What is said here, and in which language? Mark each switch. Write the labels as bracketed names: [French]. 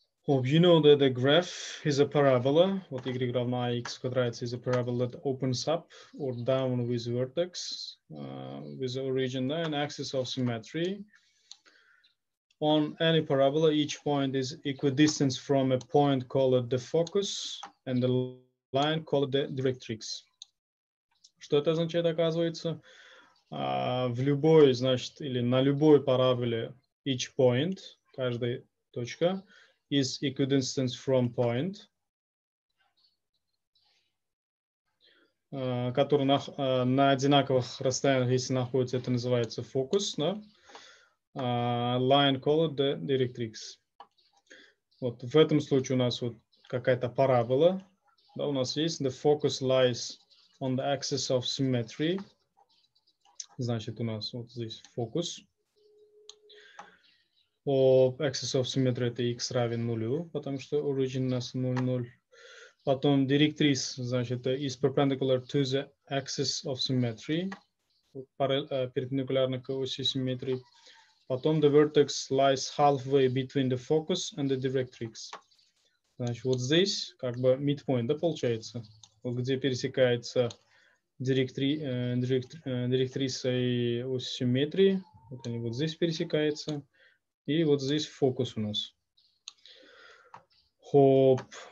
[English] Well, you know that a graph is a parabola. What [Russian] y равна x квадрат [English] is a parabola that opens up or down with vertex, with origin and axis of symmetry. On any parabola, each point is equidistant from a point called the focus and the line called the directrix. [Russian] Что это означает, оказывается? В любой, значит, или на любой параболе [English] each point, [Russian] каждая точка, [English] is equidistant from point, [Russian] который на одинаковых расстояниях, если находится, это называется фокус, да? [English] Line called the directrix. [Russian] Вот в этом случае у нас вот какая-то парабола, да, у нас есть [English] the focus lies on the axis of symmetry. [Russian] Значит, у нас вот здесь фокус. О, [English] axis of symmetry [Russian] это x равен нулю, потому что origin у нас 0,0. Потом [English] directrix, [Russian] значит, [English] is perpendicular to the axis of symmetry. [Russian] Перпендикулярно к оси симметрии. Потом [English] the vertex lies halfway between the focus and the directrix. [Russian] Значит, вот здесь как бы midpoint, да, получается? Вот где пересекается директриса и оси симметрии. Вот они вот здесь пересекаются. И вот здесь фокус у нас. Хоп.